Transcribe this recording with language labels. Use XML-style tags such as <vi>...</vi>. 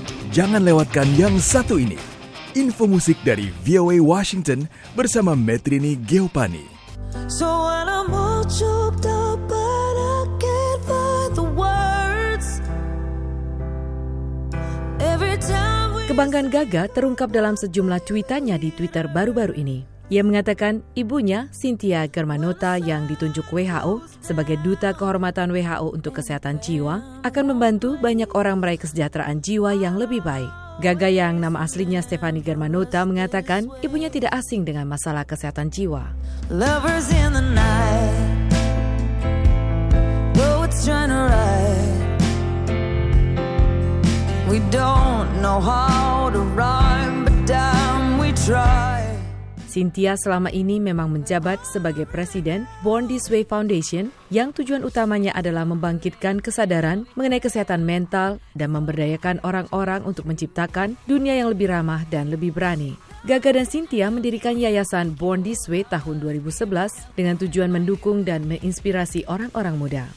<id>Jangan lewatkan yang satu ini. Info musik dari VOA Washington bersama Metrini Geopani.</id> <en>So when I'm all choked up but I can't find the words. Every time we...</en> <id>Kebanggaan Gaga terungkap dalam sejumlah tweetannya di Twitter baru-baru ini. Ia mengatakan ibunya, Cynthia Germanotta, yang ditunjuk WHO sebagai duta kehormatan WHO untuk kesehatan jiwa, akan membantu banyak orang meraih kesejahteraan jiwa yang lebih baik. Gaga yang nama aslinya Stephanie Germanotta mengatakan ibunya tidak asing dengan masalah kesehatan jiwa.</id> <en>Lovers in the night, though it's trying to ride. We don't know how to rhyme, but damn we try.</en> <id>Cynthia selama ini memang menjabat sebagai presiden Born This Way Foundation yang tujuan utamanya adalah membangkitkan kesadaran mengenai kesehatan mental dan memberdayakan orang-orang untuk menciptakan dunia yang lebih ramah dan lebih berani. Gaga dan Cynthia mendirikan yayasan Born This Way tahun 2011 dengan tujuan mendukung dan menginspirasi orang-orang muda.</id>